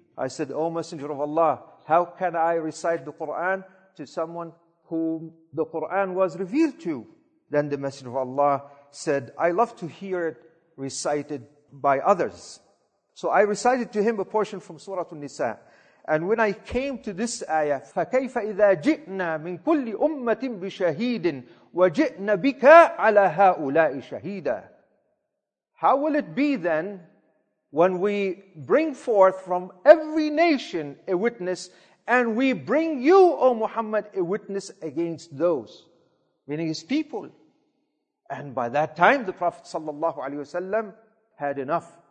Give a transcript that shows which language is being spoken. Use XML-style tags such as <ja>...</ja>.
<en>I said, O Messenger of Allah, how can I recite the Quran to someone whom the Quran was revealed to? Then the Messenger of Allah said, I love to hear it recited by others. So I recited to him a portion from Surah An-Nisa. And when I came to this ayah,</en> <ar>فَكَيْفَ إِذَا جِئْنَا مِنْ كُلِّ أُمَّةٍ بِشَهِيدٍ وَجِئْنَا بِكَ عَلَى هَؤُلَاءِ شَهِيدًا.</ar> <en>How will it be then when we bring forth from every nation a witness and we bring you, O Muhammad, a witness against those, meaning his people? And by that time, the Prophet sallallahu alayhi wasallam had enough.</en>